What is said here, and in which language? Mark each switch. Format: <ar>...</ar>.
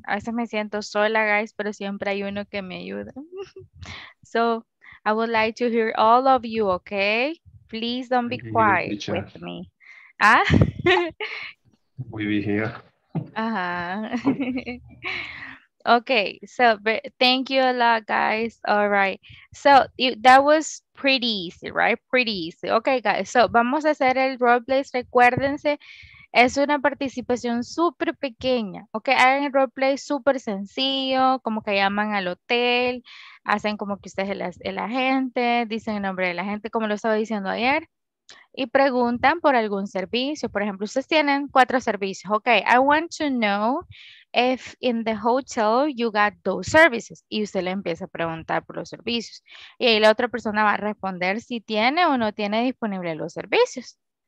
<es>A veces me siento sola, guys, pero siempre hay uno que me ayuda.</es> <en>So, I would like to hear all of you, okay? Please don't be quiet with me. Ah? We'll be here. Uh-huh. Okay, so thank you a lot, guys. All right. So, that was pretty easy, right? Pretty easy. Okay, guys.</en> <es>So, vamos a hacer el roleplay. Recuérdense. Es una participación súper pequeña, ¿ok? Hagan el roleplay súper sencillo, como que llaman al hotel, hacen como que usted es el agente, dicen el nombre de la gente, como lo estaba diciendo ayer, y preguntan por algún servicio. Por ejemplo, ustedes tienen 4 servicios, ¿ok?</es> <en>I want to know if in the hotel you got 2 services.</en> <es>Y usted le empieza a preguntar por los servicios. Y ahí la otra persona va a responder si tiene o no tiene disponible los servicios.</es>